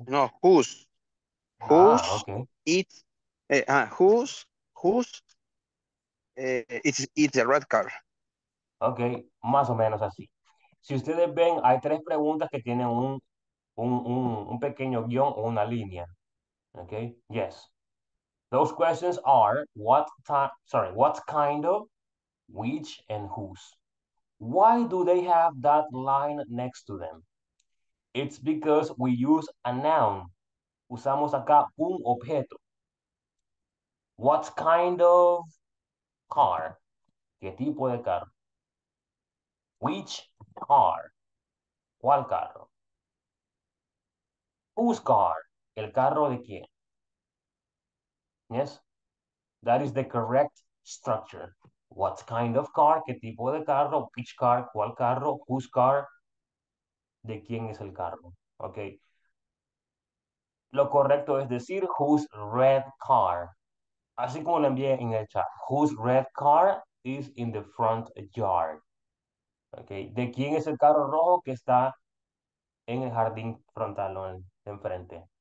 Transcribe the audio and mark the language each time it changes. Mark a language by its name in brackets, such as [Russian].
[English] No, whose. Whose? Okay. It's whose? Whose? It's the red car. [Spanish] Okay. Más o menos así. Si ustedes ven, hay tres preguntas que tienen un pequeño guión o una línea. [English] Okay, yes. Those questions are what kind of, which, and whose. Why do they have that line next to them? It's because we use a noun. [Spanish] Usamos acá un objeto. [English] What kind of car? [Spanish] ¿Qué tipo de carro? [English] Which car? [Spanish] ¿Cuál carro? [English] Whose car? [Spanish] ¿El carro de quién? Yes? [English] That is the correct structure. What kind of car? [Spanish] ¿Qué tipo de carro? [English] Which car? [Spanish] ¿Cuál carro? [English] Whose car? [Spanish] ¿De quién es el carro? Okay. Lo correcto es decir, [English] whose red car? [Spanish] Así como lo envié en el chat. [English] Whose red car is in the front yard? Okay. [Spanish] ¿De quién es el carro rojo que está en el jardín frontal o en enfrente?